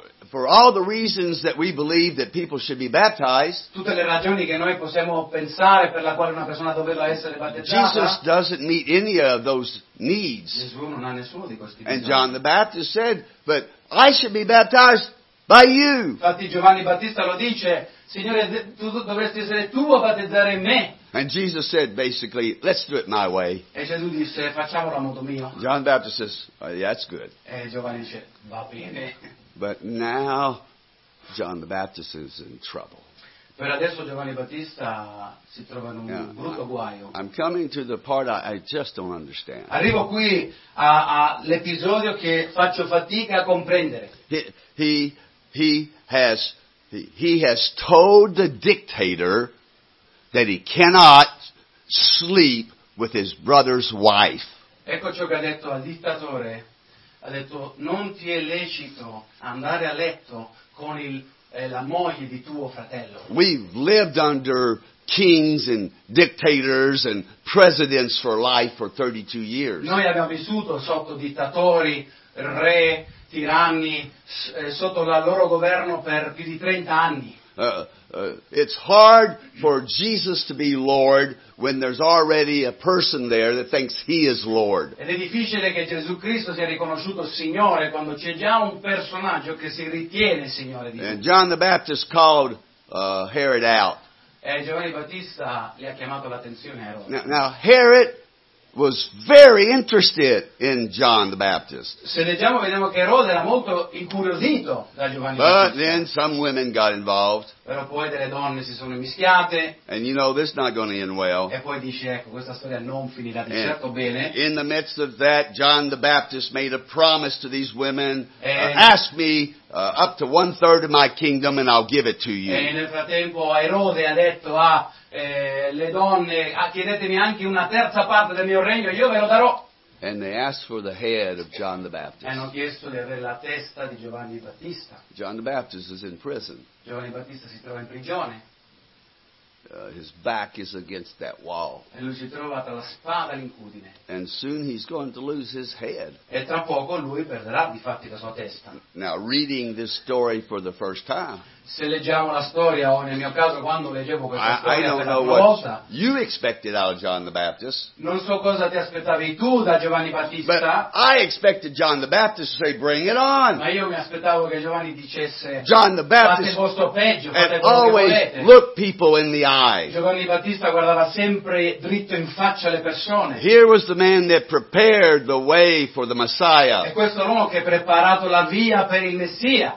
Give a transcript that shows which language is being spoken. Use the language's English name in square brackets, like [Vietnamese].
[English] For all the reasons that we believe that people should be baptized. [Italian] Tutte le ragioni che noi possiamo pensare per la quale una persona doveva essere battezzata. [English] Jesus doesn't meet any of those needs. [Italian] Gesù non ha nessuno di questi bisogni. [English] And John the Baptist said, "But I should be baptized by you." [Italian] Infatti Giovanni Battista lo dice. Signore, tu dovresti essere tu a battezzare me. [English] And Jesus said, basically, let's do it my way. [Italian] E Gesù disse, facciamolo a modo mio. [English] John the Baptist says, oh, yeah, that's good. [Italian] E Giovanni dice, va bene. [English] But now, John the Baptist is in trouble. [Italian] Per adesso Giovanni Battista si trova in un brutto guaio. [English] I'm coming to the part I just don't understand. [Italian] Arrivo qui all'episodio che faccio fatica a comprendere. [English] He has told the dictator that he cannot sleep with his brother's wife. [Italian] Ecco ciò che ha detto al dittatore. Ha detto, non ti è lecito andare a letto con la moglie di tuo fratello. [English] We've lived under kings and dictators and presidents for life for 32 years. [Italian] Noi abbiamo vissuto sotto dittatori, re, tiranni sotto la loro governo per più di 30 anni. [English] It's hard for Jesus to be Lord when there's already a person there that thinks he is Lord. [Italian] Ed è difficile che Gesù Cristo sia riconosciuto Signore quando c'è già un personaggio che si ritiene Signore di [English] Lui. And John the Baptist called Herod out. [Italian] E Giovanni Battista gli ha chiamato l'attenzione a Herod. [English] Now Herod was very interested in John the Baptist. [Italian] Se leggiamo vediamo che Erode era molto incuriosito da Giovanni Battista. [English] But then some women got involved. [Italian] Però poi delle donne si sono mischiate. [English] And you know this is not going to end well. [Italian] E poi dice ecco questa storia non finirà di certo bene. [English] In the midst of that, John the Baptist made a promise to these women. Ask me up to one third of my kingdom, and I'll give it to you. [Italian] E nel frattempo Erode ha detto a le donne, chiedetemi anche una terza parte del mio regno, io ve lo darò. [English] And they asked for the head of John the Baptist. [Italian] Hanno chiesto di avere la testa di Giovanni Battista. [English] John the Baptist is in prison. [Italian] Giovanni Battista si trova in prigione. [English] His back is against that wall. [Italian] E lui si trova tra la spada e l'incudine. [English] And soon he's going to lose his head. [Italian] E tra poco lui perderà di fatti la sua testa. [English] Now reading this story for the first time. [Italian] se leggiamo la storia, o nel mio caso quando leggevo questa storia, non so cosa ti aspettavi tu da Giovanni Battista. [English] But I expected John the Baptist to say, bring it on. [Italian] Ma io mi aspettavo che Giovanni dicesse, [English] John the Baptist, [Italian] fate il vostro peggio, fate quello che [English] always [Italian] volete. [English] Look people in the eye. [Italian] Giovanni Battista guardava sempre dritto in faccia le persone. [English] Here was the man that prepared the way for the Messiah. [Italian] E questo l'uomo che ha preparato la via per il Messia.